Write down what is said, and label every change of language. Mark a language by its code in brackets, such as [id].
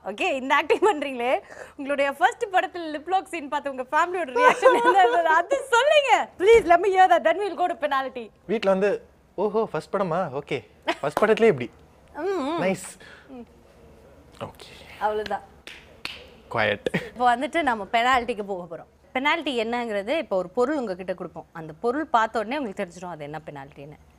[ta] Okay, இந்த acting பண்றீங்களே, உங்களுடைய first படத்துல lip lock scene பார்த்த உங்க ஃபேமிலியோட reaction என்ன? அது சொல்லுங்க. [en] Please let me hear that, then we'll go to penalty. [ta] வீட்ல வந்து ஓஹோ first படமா? Okay. First படத்துல எப்படி? [en] Nice. Okay. [ta] அவ்வளவுதான். [en] Quiet. [ta] இப்போ வந்துட்டு நம்ம பெனால்ட்டிக்கு போக போறோம். பெனால்ட்டி என்னங்கிறது இப்போ ஒரு பொருள் உங்ககிட்ட கொடுப்போம், அந்த பொருள் பார்த்த உடனே உங்களுக்கு தெரிஞ்சிடும் அது என்ன பெனால்ட்டின்னு.